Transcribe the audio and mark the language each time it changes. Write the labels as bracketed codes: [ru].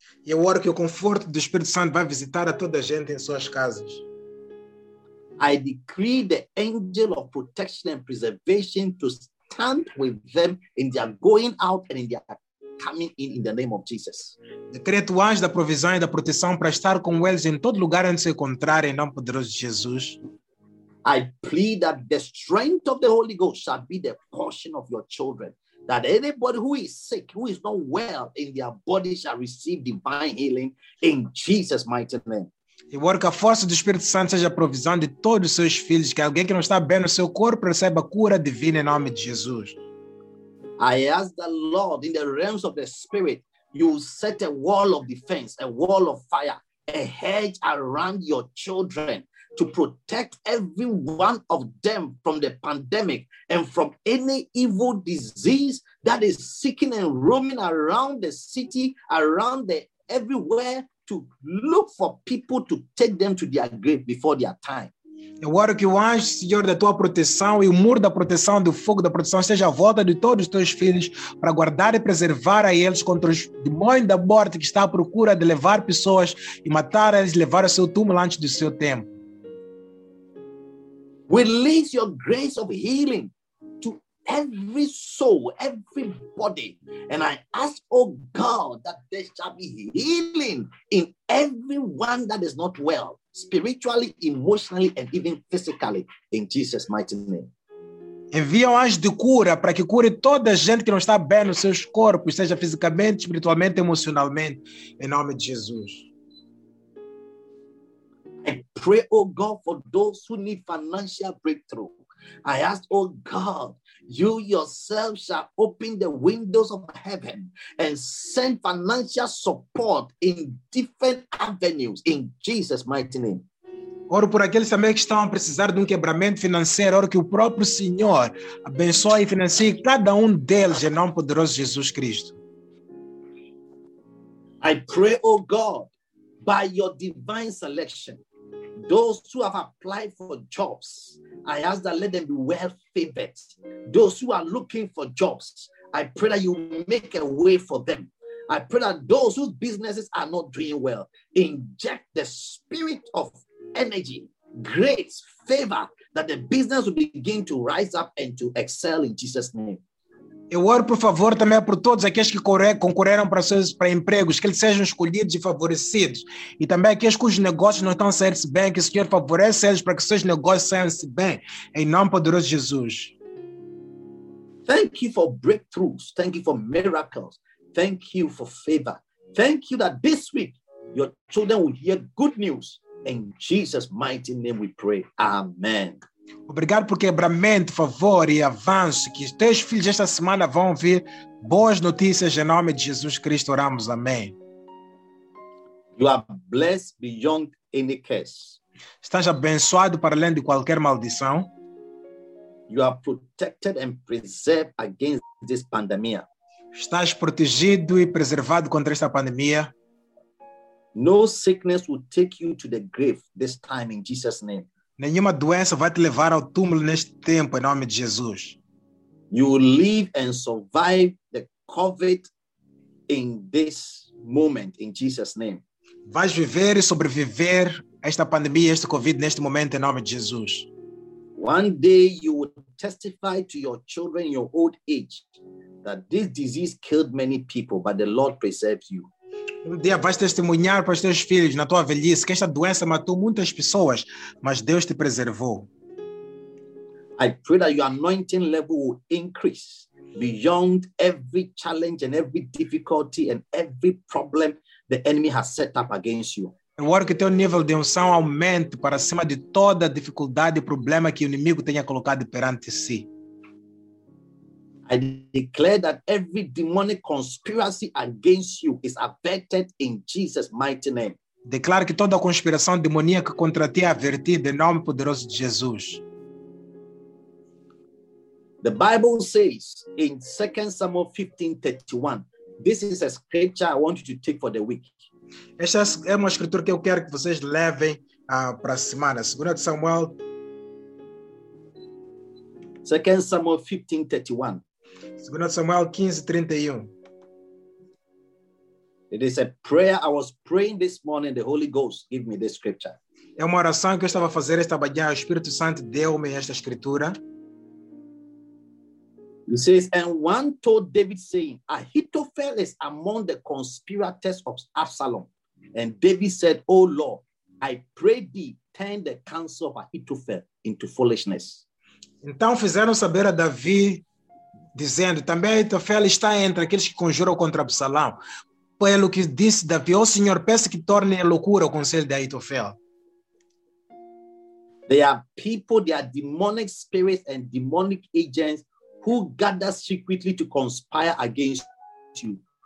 [pt] E eu oro que o conforto do Espírito Santo vai visitar a toda a gente em suas casas. [en] I decree the angel of protection and preservation to stand with them in their going out and in their coming in the name of Jesus. [pt] Decreto o anjo da provisão e da proteção para estar com eles em todo lugar onde se encontrarem, em nome poderoso de Jesus. [en] I plead that the strength of the Holy Ghost shall be the portion of your children, that anybody who is sick, who is not well in their body shall receive divine healing in Jesus' mighty name. [pt] E oro que a força do Espírito Santo seja a provisão de todos os seus filhos, que alguém que não está bem no seu corpo receba cura divina em nome de Jesus. [en] I ask the Lord in the realms of the Spirit, you set a wall of defense, a wall of fire, a hedge around your children to protect every one of them from the pandemic and from any evil disease that is seeking and roaming around the city, around the everywhere, to look for people to take them to their grave before their time. [pt] Eu oro que o anjo, Senhor, da tua proteção e o muro da proteção, do fogo da proteção, esteja à volta de todos os teus filhos para guardar e preservar a eles contra os demônios da morte que está à procura de levar pessoas e matar eles, levar ao seu túmulo antes do seu tempo. [en] Release your grace of healing to every soul, every body. And I ask, oh God, that there shall be healing in everyone that is not well, spiritually, emotionally, and even physically, in Jesus' mighty name. [pt] Envia um anjo de cura para que cure toda a gente que não está bem nos seus corpos, seja fisicamente, espiritualmente, emocionalmente, em nome de Jesus. [en] I pray, oh God, for those who need financial breakthrough. I ask, oh God, you yourself shall open the windows of heaven and send financial support in different avenues, in Jesus' mighty name. [pt] Oro por aqueles também que estão a precisar de quebramento financeiro. Oro que o próprio Senhor abençoe e financie cada deles, em nome poderoso de Jesus Cristo. [en] I pray, oh God, by your divine selection, those who have applied for jobs, I ask that let them be well favored. Those who are looking for jobs, I pray that you make a way for them. I pray that those whose businesses are not doing well, inject the spirit of energy, grace, favor, that the business will begin to rise up and to excel in Jesus' name. [pt] Eu oro, por favor, também por todos aqueles que concorreram para, seus, para empregos, que eles sejam escolhidos e favorecidos. E também aqueles cujos negócios não estão a sair-se bem, que o Senhor favoreça eles para que seus negócios saiam-se bem. Em nome poderoso de Jesus. [en] Thank you for breakthroughs. Thank you for miracles. Thank you for favor. Thank you that this week your children will hear good news. In Jesus' mighty name we pray. Amen. [pt] Obrigado por quebramento, favor e avanço, que os teus filhos esta semana vão ouvir boas notícias em nome de Jesus Cristo. Oramos, amém. [en] You are blessed beyond any curse. [pt] Estás abençoado para além de qualquer maldição. [en] You are protected and preserved against this pandemic. [pt] Estás protegido e preservado contra esta pandemia. [en] No sickness will take you to the grave this time in Jesus' name. [pt] Nenhuma doença vai te levar ao túmulo neste tempo, em nome de Jesus. [en] You will live and survive the COVID in this moment, in Jesus' name. [pt] Vais viver e sobreviver a esta pandemia, este COVID, neste momento, em nome de Jesus. [en] One day you will testify to your children in your old age that this disease killed many people, but the Lord preserves you. [pt] Um dia vais testemunhar para os teus filhos na tua velhice que esta doença matou muitas pessoas, mas Deus te preservou. [en] I pray that your anointing level will increase beyond every challenge and every difficulty and every problem the enemy has set up against you. [pt] Eu oro que teu nível de unção aumente para cima de toda a dificuldade e problema que o inimigo tenha colocado perante si. [en] I declare that every demonic conspiracy against you is averted in Jesus' mighty name. [pt] Declaro que toda a conspiração demoníaca contra ti é avertida em nome poderoso de Jesus. [en] The Bible says in 2 Samuel 15:31, this is a scripture I want you to take for the week. [pt] Esta é uma escritura que eu quero que vocês levem para a semana. [en] 2 Samuel 15:31. [pt] Segundo Samuel 15:31. [en] It is a prayer I was praying this morning. The Holy Ghost gave me this scripture. [pt] É uma oração que eu estava a fazer esta manhã. O Espírito Santo deu-me esta escritura. [en] It says, and one told David, saying, Ahithophel is among the conspirators of Absalom. And David said, O Lord, I pray thee, turn the counsel of Ahithophel into foolishness. [pt] Então fizeram saber a Davi, dizendo, também Ahitofel está entre aqueles que conjuram contra Absalão. Foi ele que disse Davi, o Senhor, peça que torne loucura o conselho de Aitofel. [en] There are people, there are demonic spirits and demonic agents who gather secretly to conspire against you.